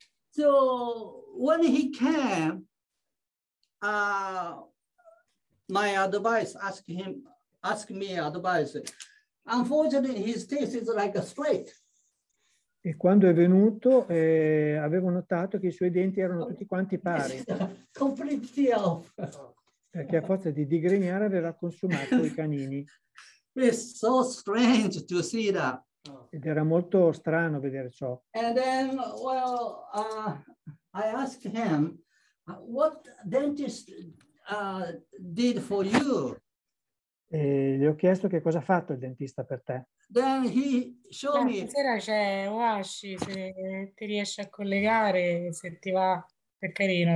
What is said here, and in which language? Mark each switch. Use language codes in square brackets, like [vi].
[en] So when he came, my advice asked me advice. Unfortunately, his teeth is like a straight. [it] E quando è venuto, avevo notato che i suoi denti erano tutti quanti pari. [en] Completely off. [it] Perché a forza di digrignare aveva consumato i canini. [en] It's so strange to see that. [it] Ed era molto strano vedere ciò. [en] And then, well, I asked him, what dentist did for you? [it] E gli ho chiesto che cosa ha fatto il dentista per te. [en] Then he showed me. [it] Stasera c'è Washi, se ti riesci a collegare, se ti va, per carino.